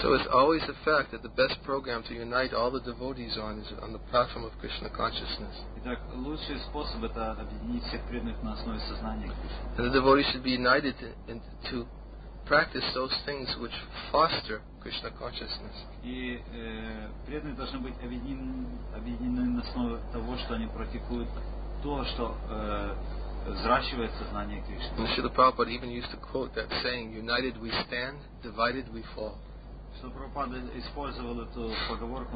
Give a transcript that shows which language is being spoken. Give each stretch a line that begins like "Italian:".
English: So it's always a fact that the best program to unite all the devotees on is on the platform of Krishna consciousness.
Russian: Итак, лучший способ это объединить всех преданных на основе сознания Кришны.
English: And the devotees should be united to practice those things which foster Krishna consciousness.
Russian: И преданные должны быть объединены на основе того, что они практикуют то, что взращивает сознание Кришны.
English: Шрила Прабхупада even used to quote that saying, "United we stand, divided we fall."
Russian: Шрила Прабхупада использовал эту поговорку.